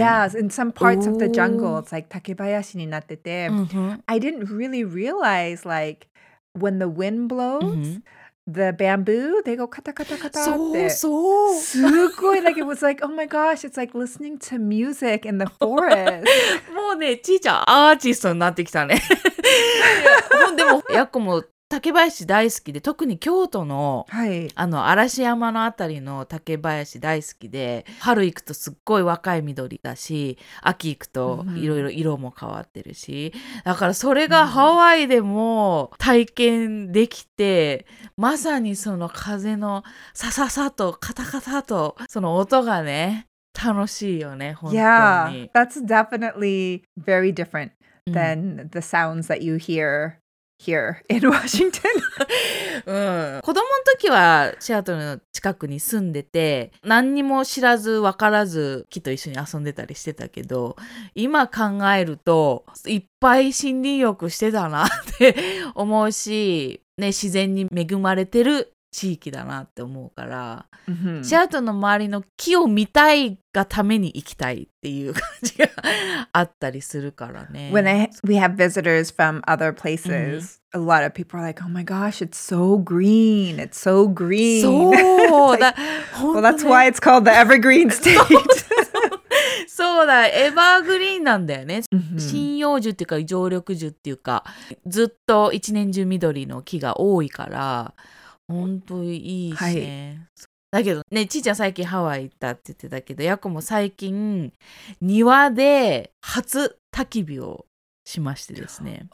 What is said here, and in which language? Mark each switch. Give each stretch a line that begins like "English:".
English: Yes, in some parts of the jungle, it's like
Japanese: 竹林になってて。 Mm-hmm.
English: I didn't really realize, like, when the wind blows...、Mm-hmm. The bamboo, they go kata kata kata. So, so.
Japanese: Sugoi.
English: Like, it was like, oh my gosh, it's like listening to music in the forest.
Japanese: もうね、ちーちゃんアーティストになってきたね。でも、やっこも竹林大好きで、特に京都の、はい、あの、嵐山のあたりの竹林大好きで、春行くとすっごい若い緑だし、秋行くといろいろ色も変わってるし、だからそれがハワイでも体験できて、うん、まさにその風のサササとカタカタと、その音がね、楽しいよね、本当に。
English: Yeah, that's definitely very different than the sounds that you hear. Here in Washington.
Japanese: 子供の時はシアトルの近くに住んでて、何にも知らず分からず木と一緒に遊んでたりしてたけど、今考えるといっぱい森林浴してたなって思うし、ね、自然に恵まれてる地域だなって思うから、 mm-hmm. シアトルの周りの木を見たいがために行きたいっていう感じがあったりするからね。
English: When we have visitors from other places,、mm-hmm. a lot of people are like, oh my gosh, it's so green, it's so green.
Japanese: そうだ、
English: like,
Japanese: 本当
English: Well, that's why it's called the evergreen state.
Japanese: そうだ、エバーグリーンなんだよね。針葉樹っていうか、常緑樹っていうか、ずっと一年中緑の木が多いから、本当にいいしね、はい、だけどね、ちーちゃん最近ハワイ行ったって言ってたけど、ヤコも最近庭で初焚き火をしましてですね。